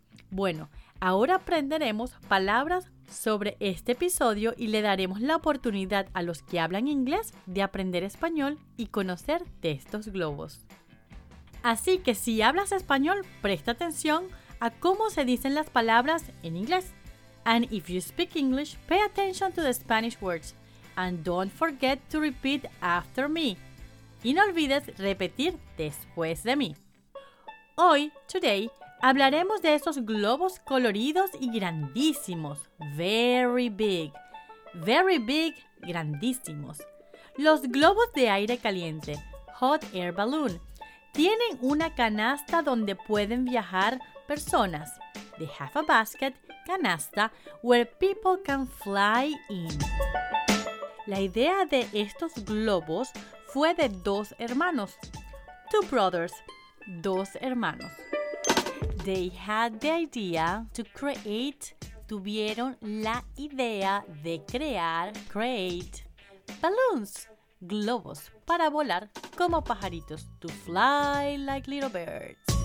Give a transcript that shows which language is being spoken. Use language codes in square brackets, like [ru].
[es] Bueno, ahora aprenderemos palabras sobre este episodio y le daremos la oportunidad a los que hablan inglés de aprender español y conocer de estos globos. Así que si hablas español, presta atención a cómo se dicen las palabras en inglés. [en] And if you speak English, pay attention to the Spanish words. And don't forget to repeat after me. [es] Y no olvides repetir después de mí. Hoy, today, hablaremos de esos globos coloridos y grandísimos. [en] Very big. Very big, grandísimos. [es] Los globos de aire caliente, [en] hot air balloon, [es] tienen una canasta donde pueden viajar personas. [en] They have a basket, canasta, where people can fly in. [es] La idea de estos globos fue de dos hermanos. [en] Two brothers, [es] dos hermanos. [en] They had the idea to create, [es] tuvieron la idea de crear, [en] create, balloons, globos, [es] para volar como pajaritos, [en] to fly like little birds.